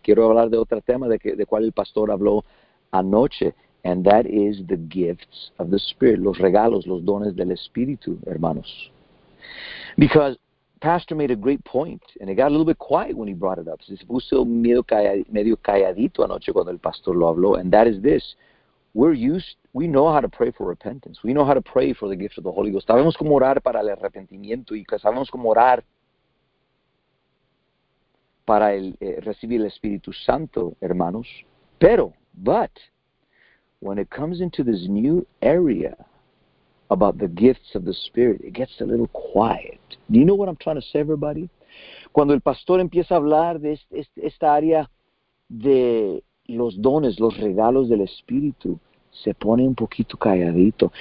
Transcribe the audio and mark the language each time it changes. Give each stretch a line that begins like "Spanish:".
Spanish: Quiero hablar de otro tema de cual el pastor habló anoche,
English: and that is the gifts of the Spirit,
Spanish: los regalos, los dones del Espíritu, hermanos.
English: Because Pastor made a great point, and it got a little bit quiet when he brought it up.
Spanish: Se puso medio calladito anoche cuando el pastor lo habló,
English: and that is this. We know how to pray for repentance. We know how to pray for the gifts of the Holy Ghost.
Spanish: Sabemos cómo orar para el arrepentimiento, y sabemos cómo orar para recibir el Espíritu Santo, hermanos.
English: But, when it comes into this new area about the gifts of the Spirit, it gets a little quiet. Do you know what I'm trying to say, everybody?
Spanish: Cuando el pastor empieza a hablar de esta área de los dones, los regalos del Espíritu, se pone un poquito calladito.